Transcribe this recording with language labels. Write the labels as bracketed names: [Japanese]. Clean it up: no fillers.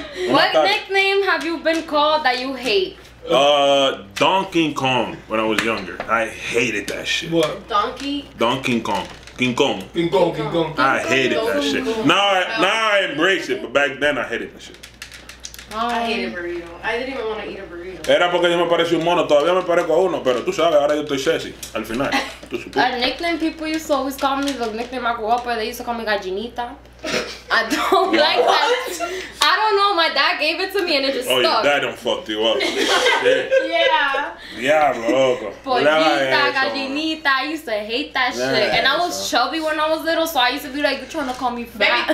[English] What nickname have you been called that you hate? Donkey Kong when I was younger. I hated that shit. What? Donkey Kong. I hated that shit. Now I embrace it, but back then I hated that shit. I didn't even want to eat a burrito. [Spanish] Era porque yo me parecía un mono, todavía me parezco a uno, pero tú sabes, ahora yo estoy sexy, al final. Tú supiste. [English] A nickname people used to always call me, the nickname I grew up with, they used to call me Gallinita. I don't like that. I don't know, my dad gave it to me and it just stuck. Oh, your dad done fucked you up. Yeah. [Spanish] Diablo, loco. [English] Pollita, Gallinita, I used to hate that shit. And I was chubby when I was little, so I used to be like, you trying to call me fat?